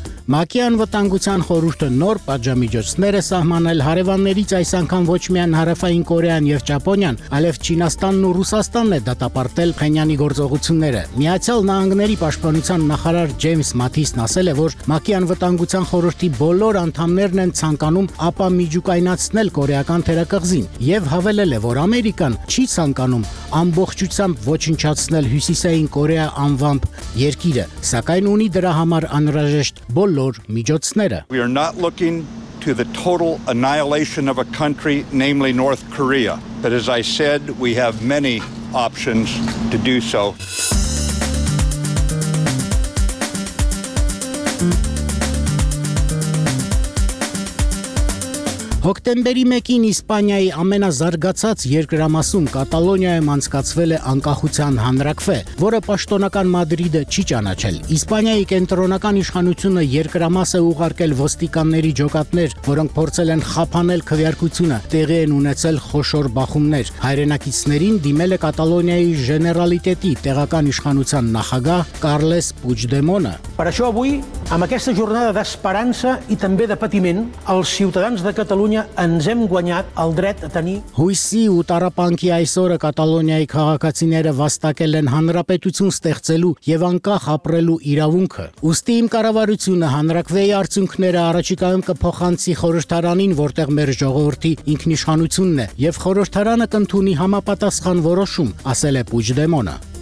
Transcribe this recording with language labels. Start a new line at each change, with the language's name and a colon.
Armenian: Մաքի անվտանգության խորհուրդը նոր պատժամիջոցներ է սահմանել հարևաններից, այս անգամ ոչ միայն Հարավային Կորեան և Ճապոնիան, այլև Չինաստանն ու Ռուսաստանն է դատապարտել Փենյանի գործողությունները։ Միացյալ Նահանգների պաշտպանության նախարար Ջեյմս Մաթիսն ասել է, որ Մաքի անվտանգության խորհրդի բոլոր անդամներն են ցանկանում ապամիջուկայնացնել կորեական թերակղզին, և հավելել է, որ Ամերիկան չի ցանկանում ամբողջությամբ ոչնչացնել Հյուսիսային Կորեա անվամբ երկիրը, սակայն ունի դրա համար անհրաժեշտ բոլոր միջոցները.
English: We are not looking to the total annihilation of a country, namely North Korea. But as I said, we have many options to do so.
Armenian: Հոկտեմբերի 1-ին Իսպանիայի ամենազարգացած երկրամասում Կատալոնիայում անցկացվել է անկախության հանրաքվե, որը պաշտոնական Մադրիդը չի ճանաչել։ Իսպանիայի կենտրոնական իշխանությունը երկրամասը ուղարկել ոստիկանների ջոկատներ, որոնք փորձել են խափանել քվեարկությունը, տեղի են ունեցել խոշոր բախումներ։ Հայրենակիցներին դիմել է Կատալոնիայի Ժեներալիտետի տեղական իշխանության նախագահ Կարլես Պուչդեմոնը։
Catalan: Amb aquesta jornada d'esperança i també de patiment, els ciutadans de Catalunya ens hem guanyat el dret a tenir...
Armenian: Հույսի ու տառապանքի այս օրը Կատալոնիայի քաղաքացիները վաստակել են հանրապետություն ստեղծելու և անկախ ապրելու իրավունքը։ Ուստի իմ կառավարությունը հանրաքվեի արդյունքները առաջիկայում կփոխանցի խորհրդարանին, որտեղ մեր ժողովրդի ինքնիշխանությունն է, և խորհրդարանը կընդունի համապատասխան որոշում, ասել է Պուչդեմոնը։